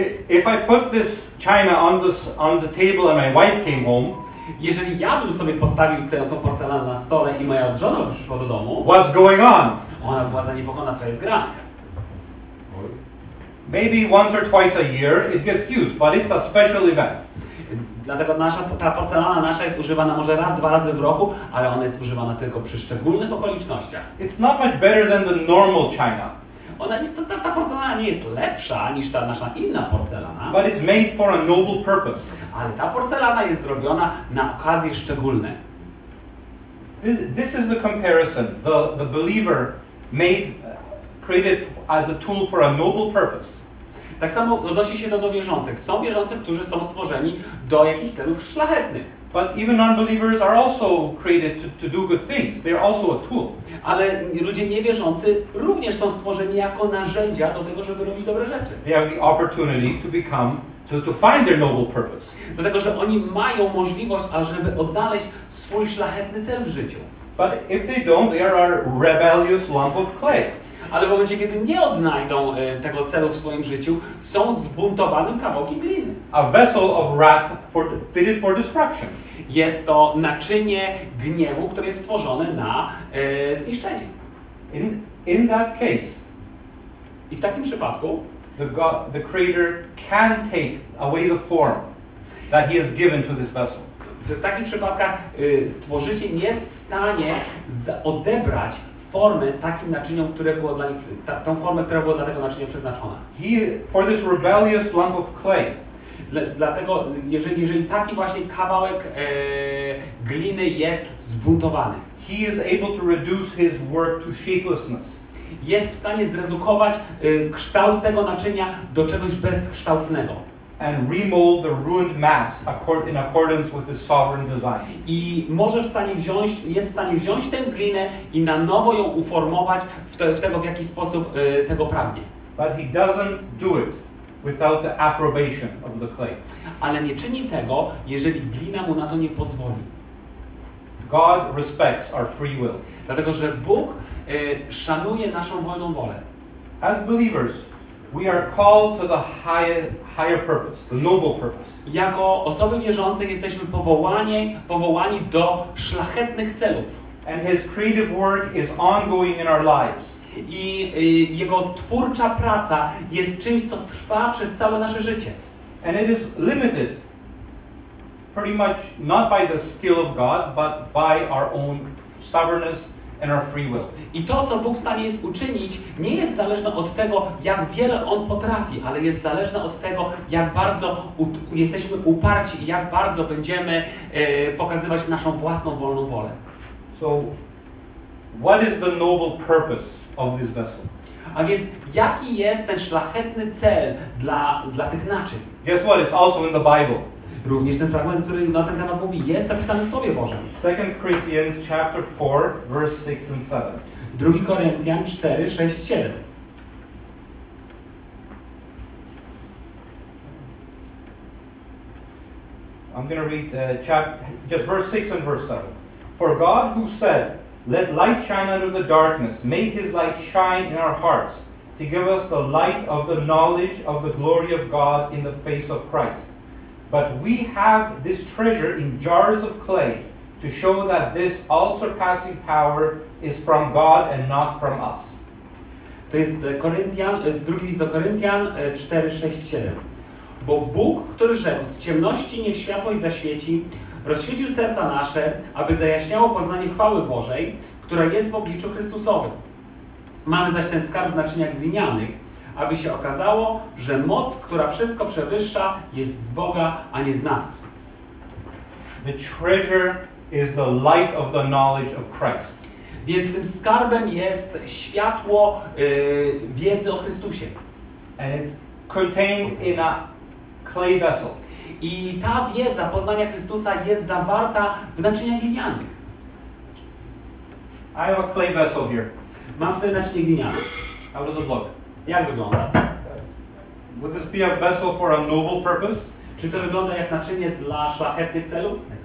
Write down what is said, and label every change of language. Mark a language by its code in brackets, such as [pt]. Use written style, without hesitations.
[en] If I put this china on the table and my wife came home, [pl] jeżeli ja bym sobie postawił tę porcelanę na stole i moja żona przyszła do domu, [en] what's going on? [pl] Ona była zaniepokojona, co jest grane. [en] Maybe once or twice a year it gets used, but it's a special event. [pl] Dlatego ta porcelana nasza jest używana może raz, dwa razy w roku, ale ona jest używana tylko przy szczególnych okolicznościach. [en] It's not much better than the normal china. [pl] Ta porcelana nie jest lepsza niż ta nasza inna porcelana. [en] But it's made for a noble purpose. [pl] Ale ta porcelana jest zrobiona na okazje szczególne. [en] This is the comparison. The believer made, created as a tool for a noble purpose. [pl] Tak samo odnosi się to do wierzących. Są wierzący, którzy są stworzeni do jakichś celów szlachetnych. [en] But even non-believers are also created to do good things. They are also a tool. [pl] Ale ludzie niewierzący również są stworzeni jako narzędzia do tego, żeby robić dobre rzeczy. [en] They have the opportunity to become to find their noble purpose. [pl] Dlatego, że oni mają możliwość, ażeby odnaleźć swój szlachetny cel w życiu. [en] But if they don't, they are a rebellious lump of clay. [pl] Ale w momencie, kiedy nie odnajdą tego celu w swoim życiu, są zbuntowanym kawałkiem gliny. [en] A vessel of wrath fitted for destruction. [pl] Jest to naczynie gniewu, które jest stworzone na zniszczenie. [en] In that case, [pl] i w takim przypadku [en] the creator can take away the form that he has given to this vessel. [pl] W takich przypadkach stworzyciel nie jest w stanie odebrać formy takim naczyniom, które było dla nich, tą formę, która była dla tego naczynia przeznaczona. [en] For this rebellious lump of clay. [pl] Dlatego, jeżeli taki właśnie kawałek gliny jest zbuntowany, [en] he is able to reduce his work to shapelessness. [pl] Jest w stanie zredukować kształt tego naczynia do czegoś bezkształtnego. [en] And remold the ruined mass in accordance with his sovereign design. [pl] I może jest w stanie wziąć tę glinę i na nowo ją uformować w jaki sposób tego pragnie. [en] But he doesn't do it without the approbation of the clay. [pl] Ale nie czyni tego, jeżeli glina mu na to nie pozwoli. [en] God respects our free will. [pl] Dlatego, że Bóg szanuje naszą wolną wolę. [en] As believers, we are called to the higher purpose, the noble purpose. [pl] Jako osoby wierzące jesteśmy powołani do szlachetnych celów. [en] And his creative work is ongoing in our lives. [pl] i jego twórcza praca jest czymś, co trwa przez całe nasze życie. [en] And it is limited pretty much not by the skill of God, but by our own stubbornness and our free will. [pl] I to, co Bóg w stanie jest uczynić, nie jest zależne od tego, jak wiele On potrafi, ale jest zależne od tego, jak bardzo jesteśmy uparci i jak bardzo będziemy pokazywać naszą własną wolną wolę. [en] So, what is the noble purpose of this vessel? [pl] A więc, jaki jest ten szlachetny cel dla tych naczyń? [en] Guess what? It's also in the Bible. [pl] Również ten fragment, który na ten temat mówi, jest zapisany w Słowie Bożym. [en] 2 Corinthians chapter 4, verse 6 and 7. [pl] 2 Koryntian 4, 6, 7. [en] I'm going to read just verse 6 and verse 7. For God who said, let light shine out of the darkness, made his light shine in our hearts, to give us the light of the knowledge of the glory of God in the face of Christ. But we have this treasure in jars of clay to show that this all-surpassing power is from God and not from us. [pl] To jest Koryntian, drugi list do Koryntian 4, 6, 7. Bo Bóg, który rzekł, z ciemności niech światło i zaświeci, rozświecił serca nasze, aby zajaśniało poznanie chwały Bożej, która jest w obliczu Chrystusowym. Mamy zaś ten skarb w naczyniach glinianych, aby się okazało, że moc, która wszystko przewyższa, jest z Boga, a nie z nas. [en] The treasure is the light of the knowledge of Christ. [pl] Więc tym skarbem jest światło wiedzy o Chrystusie. [en] And it's contained in a clay vessel. [pl] I ta wiedza poznania Chrystusa jest zawarta w naczyniach glinianych. [en] I have a clay vessel here. [pl] Mam tutaj naczynie gliniane. [en] How does it look? [pl] Jak wygląda? [en] Would this be a vessel for a noble purpose? [pl] Czy to wygląda jak naczynie dla szlachetnych celów?